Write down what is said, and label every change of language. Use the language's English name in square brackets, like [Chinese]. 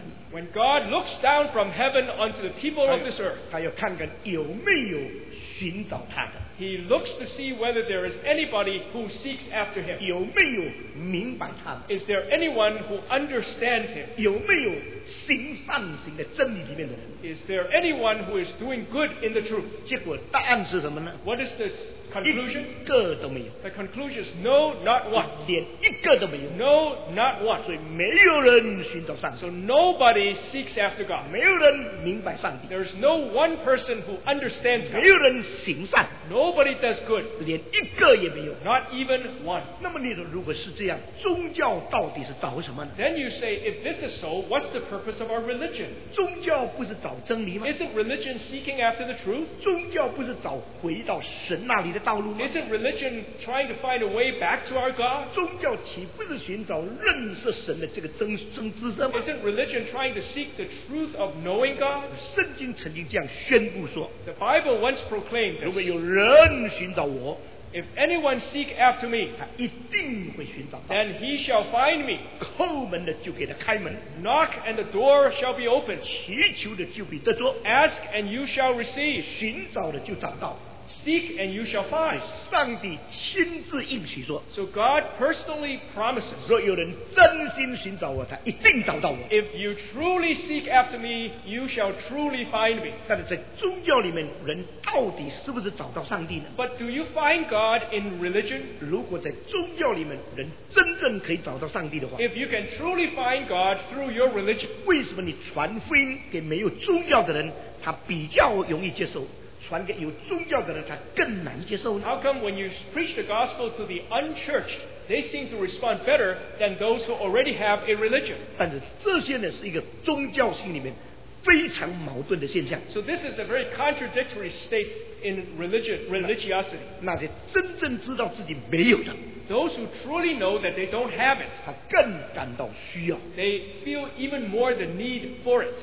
[English] When God looks down from heaven onto the people of this earth, he looks to see whether there is anybody who seeks after him. [Chinese] 有没有明白他? [English] Is there anyone who understands him? [Chinese] 有没有行善行的真理里面的人? [English] Is there anyone who is doing good in the truth? [Chinese] 结果答案是什么呢? [English] What is the conclusion? [Chinese] 一个都没有. [English] The conclusion is no, not one. [Chinese] 连一个都没有. [English] No, not one. [Chinese] 所以没有人寻找上帝. [English] So nobody seeks after God. [Chinese] 没有人明白上帝. [English] There is no one person who understands God. [Chinese] 没有人行善. [English] Nobody does good. [Chinese] 连一个也没有. [English] Not even one. [Chinese] 那么你说如果是这样, 宗教到底是找什么呢? [English] Then you say, if this is so, what's the purpose of our religion? [Chinese] 宗教不是找真理吗? [English] Isn't religion seeking after the truth? [Chinese] 宗教不是找回到神那里的道路吗? [English] Isn't religion trying to find a way back to our God? [Chinese] 宗教岂不是寻找认识神的这个真知识吗? [English] Isn't religion trying to seek the truth of knowing God? [Chinese] 圣经曾经这样宣布说, [English] the Bible once proclaimed this. [Chinese] 如果有人寻找我, [English] if anyone seek after me, [Chinese] 他一定会寻找到, [English] then he shall find me. [Chinese] 叩门的就给他开门, [English] knock and the door shall be opened. [Chinese] 祈求的就必得着, [English] ask and you shall receive. [Chinese] 寻找的就找到, [English] seek and you shall find. [Chinese] 上帝亲自应许说, [English] so God personally promises, [Chinese] 若有人真心寻找我, 他一定找到我, [English] if you truly seek after me, you shall truly find me. [Chinese] 但是在宗教里面, 人到底是不是找到上帝呢? [English] But do you find God in religion? [Chinese] 如果在宗教里面, 人真正可以找到上帝的话, [English] if you can truly find God through your religion, [Chinese] 为什么你传福音给没有宗教的人, 他比较容易接受, 传给有宗教的人，他更难接受呢? [English] How come when you preach the gospel to the unchurched, they seem to respond better than those who already have a religion? [Chinese] 但是这些呢，是一个宗教性里面非常矛盾的现象。 [English] So this is a very contradictory state in religiosity. [Chinese] 那些真正知道自己没有的。 [English] Those who truly know that they don't have it, [Chinese] 他更感到需要。 [English] They feel even more the need for it.